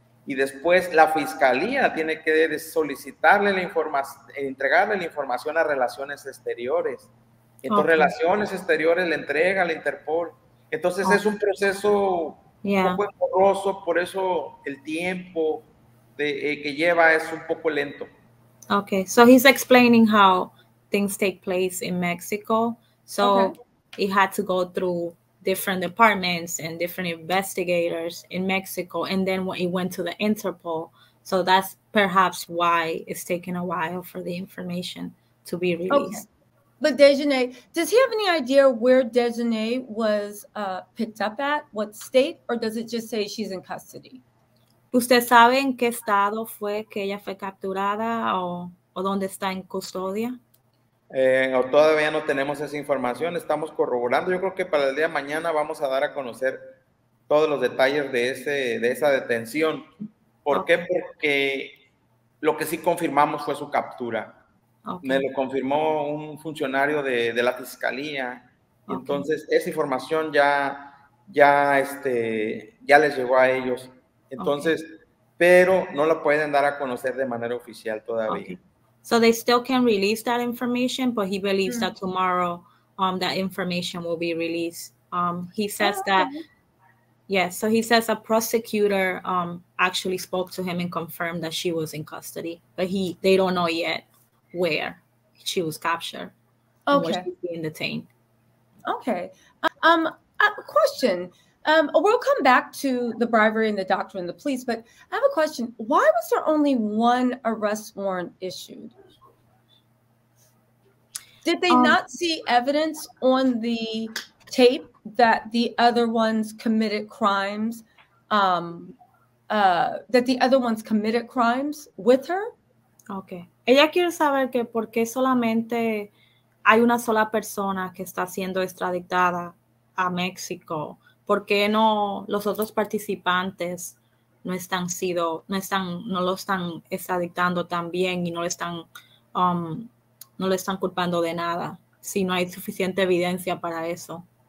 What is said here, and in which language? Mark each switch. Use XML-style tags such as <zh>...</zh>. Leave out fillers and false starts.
<es>Y después la Fiscalía tiene que solicitarle la información, entregarle la información a Relaciones Exteriores. Entonces, Relaciones Exteriores le entrega a la Interpol. Entonces, es un proceso un poco engorroso, por eso el tiempo que lleva es un poco lento.</es> <en>Okay, so he's explaining how things take place in Mexico. So he had to go through different departments and different investigators in Mexico, and then when he went to the Interpol. So that's perhaps why it's taking a while for the information to be released. Okay. But Dejanay, does he have any idea where Dejanay was picked up at? What state? Or does it just say she's in custody?</en> <es>¿Usted sabe en qué estado fue que ella fue capturada o dónde está en custodia? Todavía no tenemos esa información. Estamos corroborando. Yo creo que para el día de mañana vamos a dar a conocer todos los detalles de esa detención. ¿Por qué? Porque lo que sí confirmamos fue su captura. Me lo confirmó un funcionario de la fiscalía. Okay. Entonces, esa información ya les llegó a ellos. Entonces, pero no lo pueden dar a conocer de manera oficial todavía.</es> <en>So they still can release that information, but he believes that tomorrow that information will be released. He says so he says a prosecutor actually spoke to him and confirmed that she was in custody, but they don't know yet where she was captured and where she's being detained. Okay. Question. We'll come back to the bribery and the doctrine and the police, but I have a question. Why was there only one arrest warrant issued? Did they not see evidence on the tape that the other ones committed crimes, with her? Okay.</en> <es>Ella quiere saber que por qué solamente hay una sola persona que está siendo extraditada a Mexico. ¿por qué no los otros participantes no están sido, no están, no lo están extraditando también y no lo están, no lo están culpando de nada, si no hay suficiente evidencia para eso?</es>